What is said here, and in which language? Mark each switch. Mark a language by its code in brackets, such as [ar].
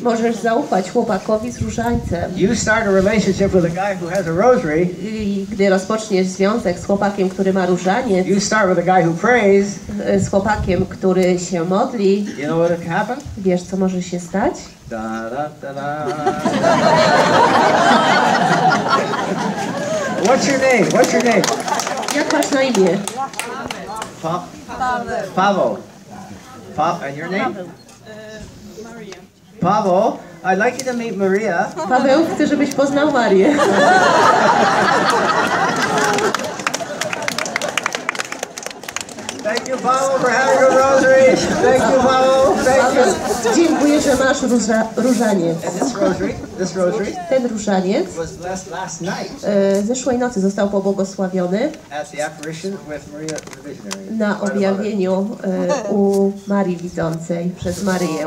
[pl] Możesz zaufać chłopakowi z różańcem. [en] You start a relationship with a guy who has a rosary. [pl] I gdy rozpoczniesz związek z chłopakiem, który ma różaniec. [en] You start with a guy who prays. [pl] Z chłopakiem, który się modli. [en] You know what can happen? [pl] Wiesz, co może się stać? Da-da-da-da. [en] What's your name? [pl] Jak masz na imię? [en] Paweł. And your name? Maria. Paweł, I'd like you to meet Maria. [pl] Paweł, chcę, żebyś poznał Marię. [en] Thank you, Paweł, for having a rosary. Thank you, Paweł. [pl] Dziękuję, że masz różaniec. [en] This rosary [pl] ten różaniec [en] was blessed last night. [pl] Zeszłej nocy został pobłogosławiony [en] at the apparition with Maria, the visionary, [pl] na objawieniu u Marii Widzącej przez Maryję.